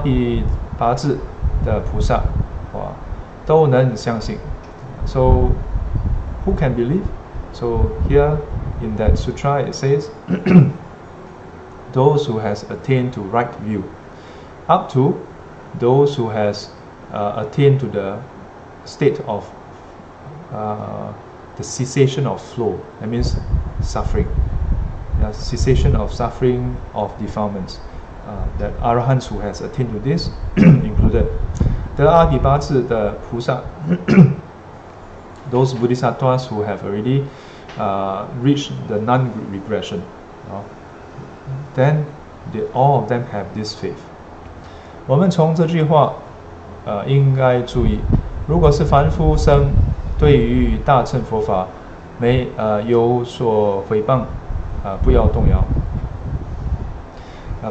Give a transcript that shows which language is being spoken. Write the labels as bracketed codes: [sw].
[zh] 得到得正见的人乃至到这个漏尽的阿罗汉得阿比拔智的菩萨, 哇, 都能相信. [en] So who can believe? So here in that sutra it says those who has attained to right view, up to those who has attained to the state of the cessation of flow, that means suffering. Yeah, cessation of suffering, of defilements. That arahants who has attained to this, included. The Abhibhatsi, the Pusa, those bodhisattvas who have already reached the non-regression, then they, all of them have this faith. [zh] 我们从这句话应该注意, 如果是凡夫生, 对于大乘佛法没有所毁谤, 不要动摇.